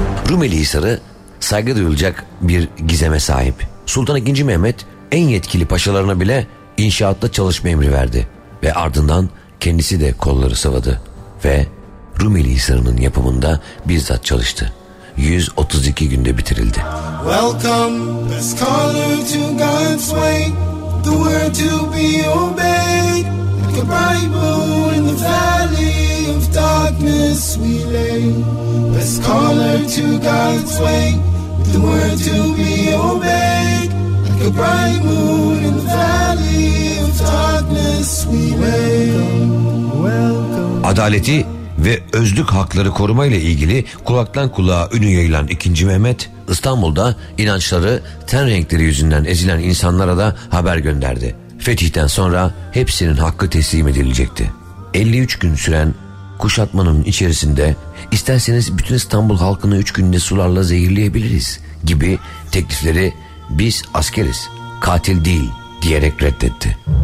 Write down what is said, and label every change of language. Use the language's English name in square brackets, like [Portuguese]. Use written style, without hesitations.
[Turkish] Rumeli Sarı saygı duyulacak bir gizeme sahip. Sultan II. Mehmet en yetkili paşalarına bile inşaatta çalışma emri verdi. Ve ardından kendisi de kolları sıvadı ve Rumeli Hisarı'nın yapımında bizzat çalıştı. 132 günde bitirildi. [English] Welcome, a scholar to God's way, the word to be obeyed, like a bright moon in the valley of darkness we lay. A scholar to God's way, the word to be obeyed, like a bright moon in the valley of darkness we lay. Welcome. [Turkish] Adaleti ve özlük hakları korumayla ilgili kulaktan kulağa ünü yayılan II. Mehmet, İstanbul'da inançları, ten renkleri yüzünden ezilen insanlara da haber gönderdi. Fetihten sonra hepsinin hakkı teslim edilecekti. 53 gün süren kuşatmanın içerisinde isterseniz bütün İstanbul halkını 3 günde sularla zehirleyebiliriz gibi teklifleri biz askeriz, katil değil diyerek reddetti.